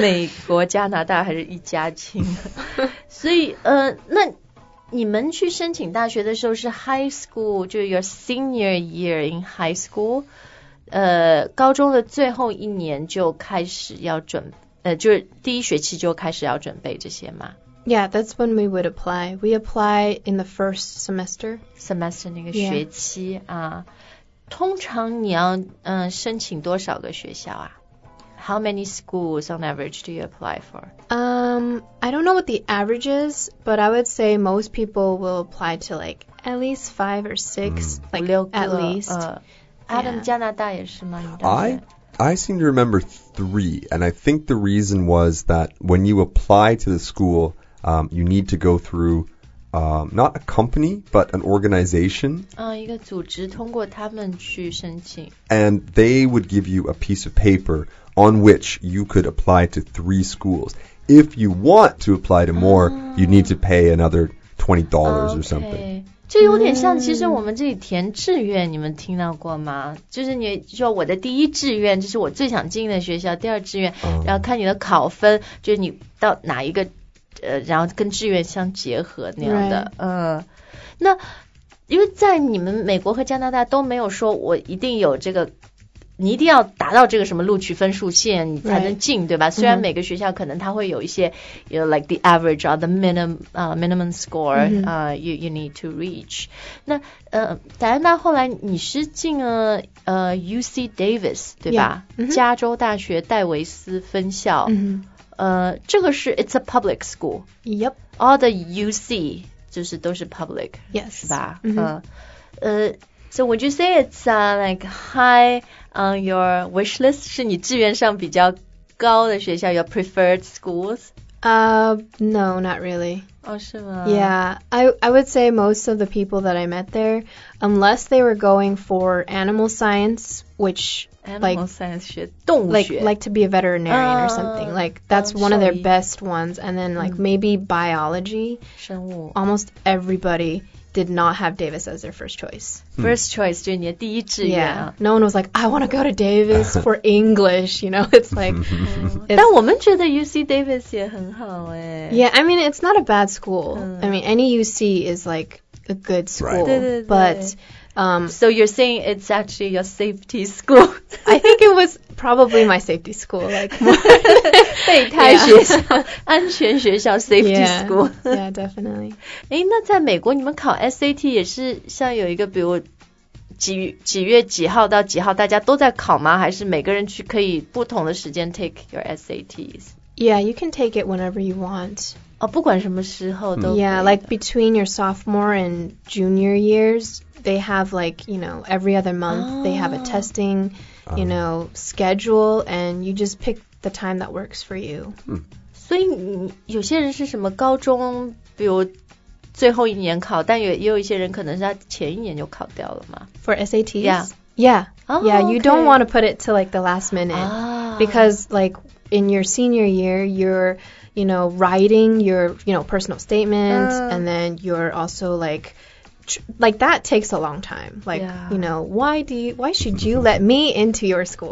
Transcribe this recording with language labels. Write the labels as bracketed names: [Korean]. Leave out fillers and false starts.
[Chinese] 美国、加拿大还是一家亲。所以，那你们去申请大学的时候是 [English] high school, [Chinese] 就是 [English] your senior year in high school. [Chinese] 高中的最后一年就开始要准，就是第一学期就开始要准备这些吗？ [English] Yeah, that's when we would apply. We apply in the first semester. [Chinese] Semester 那个学期、yeah. 通常你要、申请多少个学校啊 [English] How many schools on average do you apply for? I don't know what the average is, but I would say most people will apply to like at least 5 or 6,、mm. like [Chinese] 六个 [English] at least.、 Adam,、 yeah. [Chinese] 加拿大也是吗 [English] I seem to remember 3, and I think the reason was that when you apply to the school... you need to go through not a company, but an organization. [Chinese] 一个组织通过他们去申请。 [English] And they would give you a piece of paper on which you could apply to 3 schools. If you want to apply to more,、you need to pay another $20 okay, or something. [Chinese] 这有点像其实我们这里填志愿、你们听到过吗？就是你说我的第一志愿就是我最想进的学校，第二志愿、然后看你的考分，就是你到哪一个然后跟志愿相结合那样的、 [English] right. [Chinese] 那因为在你们美国和加拿大都没有说我一定有这个你一定要达到这个什么录取分数线你才能进、 [English] right. [Chinese] 对吧虽然每个学校可能它会有一些、mm-hmm. [English] you know, like the average or the minimum score、 mm-hmm. you need to reach [Chinese] 那戴安娜后来你是进了UC Davis 对吧、 [English] yeah. mm-hmm. [Chinese] 加州大学戴维斯分校、 [English] mm-hmm. [Chinese] 这个是 [English] it's a public school. Yep. All the UC [Chinese] 就是都是 [English] public. [Chinese] Yes. 是吧、 [English] mm-hmm. So would you say it's like high on your wish list? [Chinese] 是你志愿上比较高的学校 [English] your preferred schools? No, not really. [Chinese] Oh, 是吗? [English] Yeah, I would say most of the people that I met there, unless they were going for animal science, which [Chinese] animal science, 学动物学 [English] like to be a veterinarian or something. Like, that's one of their best ones. And then, like, maybe biology. [Chinese] 生物 [English] Almost everybody did not have Davis as their first choice. [Chinese] First choice, 就是你的第一志愿。 [English] Yeah, no one was like, I want to go to Davis for English, you know? It's like... it's, [Chinese] 但我们觉得 UC Davis 也很好耶。 [English] Yeah, I mean, it's not a bad school. I mean, any UC is like a good school. Right. [Chinese] 对对对。 [English] But... So you're saying it's actually your safety school? I think it was probably my safety school. Like, [Chinese] 安全学校 [English] safety school. Yeah, definitely. [Chinese] 诶，那在美国你们考 SAT 也是像有一个比如 几月几号到几号大家都在考吗？还是每个人去可以不同的时间 [English] take your SATs? Yeah, you can take it whenever you want. [Chinese] 哦、不管什么时候都可以 [English] Yeah, like between your sophomore and junior years, they have like, you know, every other month,、they have a testing, you know, schedule, and you just pick the time that works for you.、 [Chinese] 所以有些人是什么高中比如最后一年考但也有一些人可能是他前一年就考掉了嘛 [English] For SATs? Yeah. Yeah,、 okay. you don't want to put it to like the last minute,、because like in your senior year, you're... you know, writing your, you know, personal statement,、and then you're also like that takes a long time. Like,、you know, why should you let me into your school?、